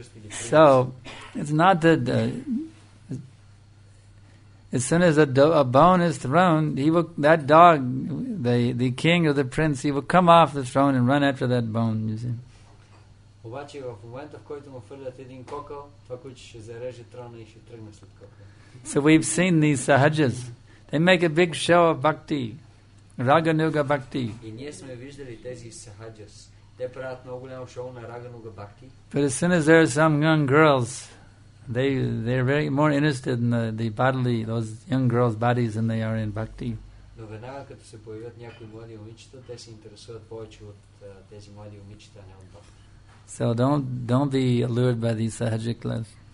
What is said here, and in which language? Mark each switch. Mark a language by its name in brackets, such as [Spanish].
[English] So, it's not that... as soon as a bone is thrown, that dog, the king or the prince, he will come off the throne and run after that bone, you see. [Bulgarian] Обаче в момента, в който му фърлят един кокъл, това куче ще зареже трона и ще тръгне след кокъл. [English] So we've seen these sahajas. They make a big show of bhakti. Raganuga bhakti. [Bulgarian] И ние сме виждали тези sahajas. Те правят много голямо шоу на Raganuga bhakti. [English] But as soon as there are some young girls, they're very more interested in the bodily, those young girls' bodies than they are in bhakti. [Bulgarian] Но веднага като се появят някои млади момичета, те се интересуват повече от тези млади момичета, а не от бхакти. [English] So don't be allured by these sahaja class.